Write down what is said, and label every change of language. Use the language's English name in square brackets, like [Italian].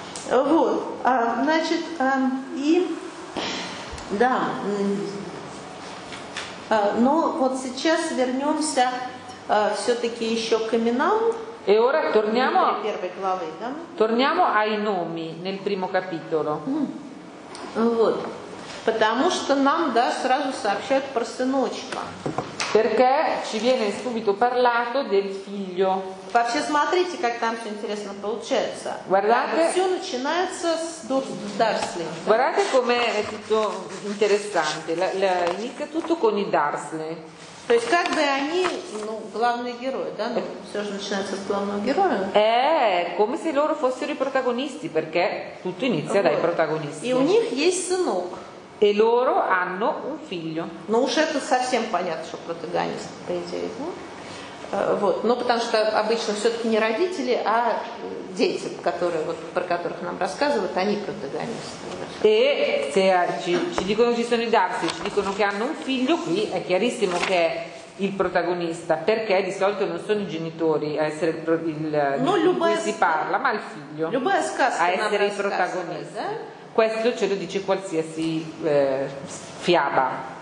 [Russian] Вот, значит, и да, но вот сейчас вернемся все-таки еще к именам. [Italian] E ora torniamo nelle prime clave, да? Torniamo ai nomi nel primo capitolo. [Russian] Вот, потому что нам да сразу сообщают про сыночка. [Italian] Perché ci viene subito parlato del figlio. [Russian] Вообще смотрите, как там все интересно получается. [Italian] Guardate, [Russian] все начинается с Дарсли. [Italian] Guardate come è tutto interessante. Inizia tutto con i Дарсли. [Russian] То есть как бы они, ну, главные герои, да? Все же начинается с главного героя. [Italian] Come se loro fossero i protagonisti, perché tutto inizia dai protagonisti. [Russian] И у них есть сынок. [Italian] E loro hanno un figlio. [Russian] Но уж это совсем понятно, что протагонист, по идее. Вот. Ну, потому что обычно все-таки не родители, а дети, которые, вот, про которых нам рассказывают, они протагонисты. [Italian] E se ci dicono ci sono i Darcy, ci dicono che hanno un figlio, qui è chiarissimo che è il protagonista, perché di solito non sono i genitori a essere il di cui si parla, ma il figlio a essere il protagonista. Questo ce lo dice qualsiasi fiaba.